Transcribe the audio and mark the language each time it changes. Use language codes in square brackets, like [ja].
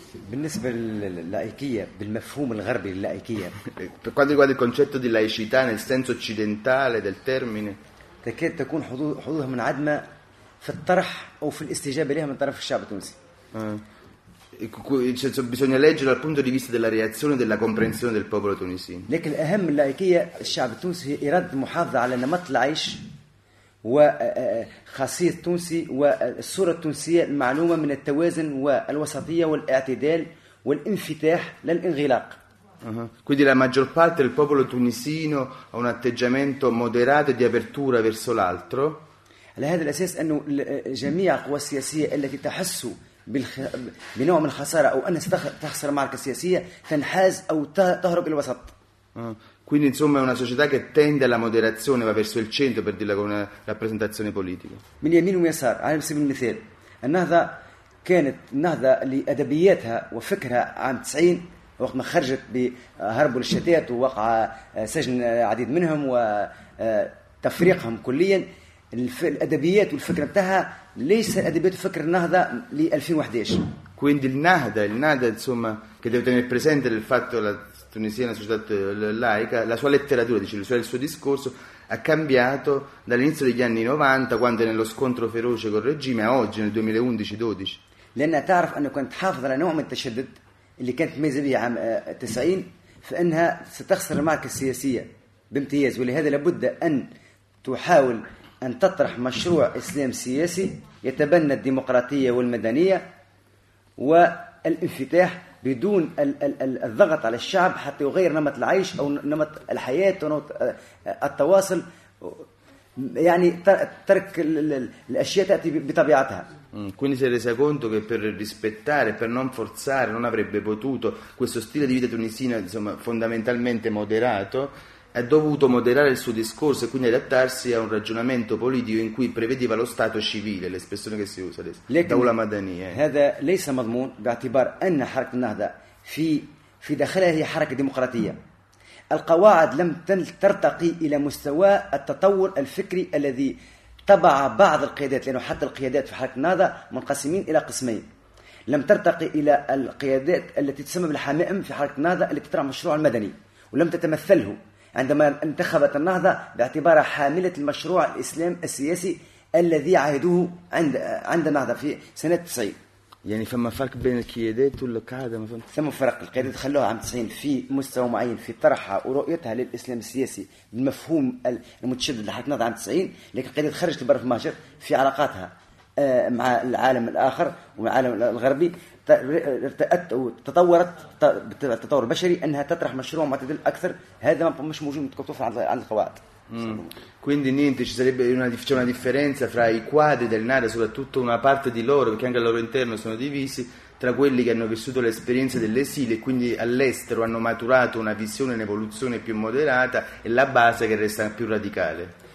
[ar] بالنسبة للايكية بالمفهوم الغربي للايكية. [it] per quanto riguarda il concetto di laicità nel senso occidentale del termine. [ar] تكاد تكون حدودها منعدمة في الطرح أو في الاستجابة لها من طرف الشعب التونسي. [it] Cioè, bisogna leggere dal punto di vista della reazione e della comprensione del popolo tunisino. Quindi la maggior parte del popolo tunisino ha un atteggiamento moderato e di apertura verso l'altro. [ar] على هذا الأساس أنه جميع القوى السياسية التي تحس بنوع من الخسارة أو أن ستخسر معركة سياسية تنحاز أو تهرب إلى الوسط. [it] Quindi insomma è una società che tende alla moderazione, va verso il centro per dirla con una rappresentazione politica. [ar] من يمين ويسار على سبيل المثال النهضة كانت النهضة لأدبياتها وفكرها عام 90 وقت ما خرجت بهربوا للشتات ووقع سجن عديد منهم وتفريقهم كليا. الأدبيات والفكرة بتاعها ليس أدبيات فكر النهضة ل 2011. [it] Quindi il Nahda insomma che deve tenere presente il fatto la Tunisia è una società laica, la sua letteratura, dice, il suo discorso ha cambiato dall'inizio degli anni 90 quando è nello scontro feroce col regime a oggi nel 2011-12. [ar] لأنها تعرف أنه كانت حافظة على نوع من التشدد اللي كانت ميزة بها عام 90 فإنها ستخسر المعركة السياسية بامتياز ولهذا لابد أن تحاول أن تطرح مشروع إسلام سياسي يتبنى الديمقراطية والمدنية والانفتاح بدون الضغط على الشعب حتى يغير نمط العيش أو نمط الحياة ونمط التواصل يعني ترك الأشياء تأتي بطبيعتها. [it] Quindi si è resa conto che per rispettare, per non forzare, non avrebbe potuto questo stile di vita tunisino, insomma, fondamentalmente moderato. Ha dovuto moderare il suo discorso e quindi adattarsi a un ragionamento politico in cui prevedeva lo Stato civile, l'espressione che si usa adesso, Dawla Madania. [ar] هذا ليس مضمون باعتبار أن حركة النهضة في داخلها هي حركة ديمقراطية. القواعد لم ترتقي إلى مستوى التطور الفكري الذي طبع بعض القيادات لأنه حتى القيادات في حركة النهضة منقسمين إلى قسمين. لم ترتقي إلى القيادات التي تسمى بالحمائم في حركة النهضة التي ترعى المشروع المدني ولم تتمثله. عندما انتخبت النهضة باعتبارها حاملة المشروع الإسلام السياسي الذي عهدوه عند النهضة في سنة 90. يعني فما فرق بين القيادات والقاعدة ما فهمت؟ ثم فرق القيادات خلوها عام 90 في مستوى معين في طرحها ورؤيتها للإسلام السياسي بالمفهوم المتشدد لحركة النهضة عام 90 لكن القيادات خرجت برا في مهجر في علاقاتها مع العالم الآخر والعالم الغربي ارتأت وتطورت بالتطور البشري انها تطرح مشروع معتدل اكثر هذا مش موجود متكفر عن القواعد. [it] Quindi niente, ci sarebbe una differenza fra i quadri del Nada, soprattutto una parte di loro, perché anche al loro interno sono divisi, tra quelli che hanno vissuto l'esperienza dell'esilio e quindi all'estero hanno maturato una visione, un'evoluzione più moderata e la base che resta più radicale.